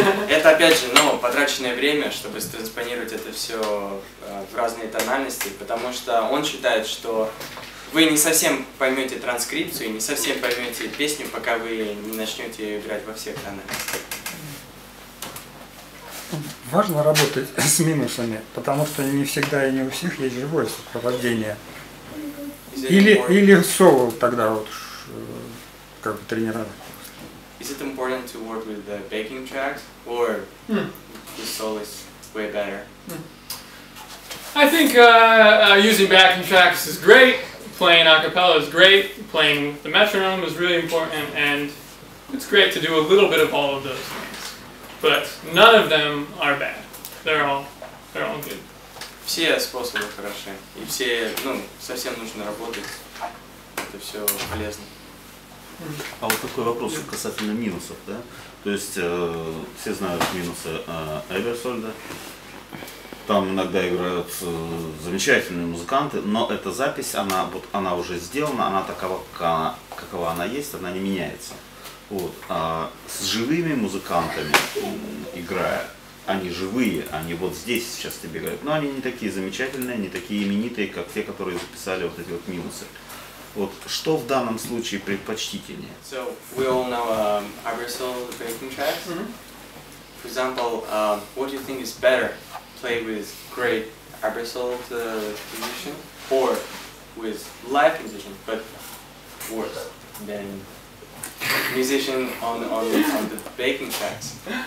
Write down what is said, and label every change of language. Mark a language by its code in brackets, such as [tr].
[ru] Это опять же, ну, потраченное время, чтобы транспонировать это все в разные тональности, потому что он считает, что вы не совсем поймете транскрипцию, не совсем поймете песню, пока вы не начнете играть во всех тональностях. Важно работать с минусами, потому что не всегда и не у всех есть живое сопровождение. Или соло тогда вот как бы тренировать. [en] Is it important to work with the backing tracks, or the solo is way better. I think using backing tracks is great, playing a cappella is great, playing the metronome is really important, and it's great to do a little bit of all of those things. But none of them are bad. They're all good. [ru] Все способы хороши, и все, ну, совсем нужно работать. Это все полезно. А вот такой вопрос касательно минусов, да? То есть все знают минусы Эберсольда. Там иногда играют замечательные музыканты, но эта запись, она вот она уже сделана, она такова, какова она есть, она не меняется. Вот. А с живыми музыкантами, играя, они живые, они вот здесь сейчас тебе играют, но они не такие замечательные, не такие именитые, как те, которые записали вот эти вот минусы. Вот что в данном случае предпочтительнее? [en] So, we all know Aversal, the breaking tracks. Mm-hmm. For example, what do you think is better? Play with great Aversal musician or with live musician, but worse than musician on the baking tracks.